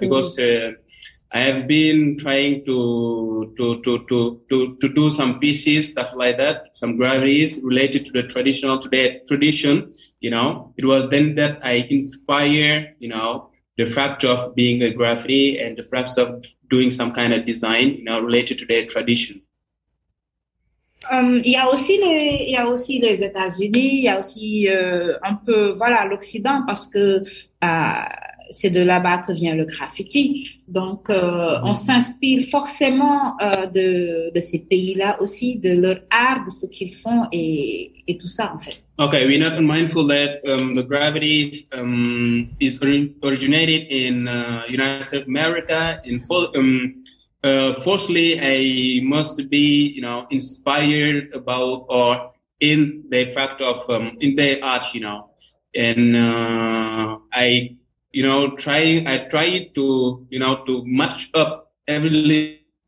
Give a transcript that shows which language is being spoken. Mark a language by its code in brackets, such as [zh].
[en] Because I have been trying to do some pieces, stuff like that, some graffiti related to the traditional, to their tradition, you know. It was then that I inspired, you know, the fact of being a graffiti and the fact of doing some kind of design, you know, related to their tradition. [fr] Il y a aussi les États-Unis, il y a aussi un peu voilà l'Occident parce que c'est de là-bas que vient le graffiti. Donc on s'inspire forcément de ces pays-là aussi, de leur art, de ce qu'ils font et tout ça en fait. [en] Okay, we're not mindful that the graffiti is originated in United States of America in full. Firstly, I must be, you know, inspired about or in the fact of in the art, you know, and I try to, you know, to match up every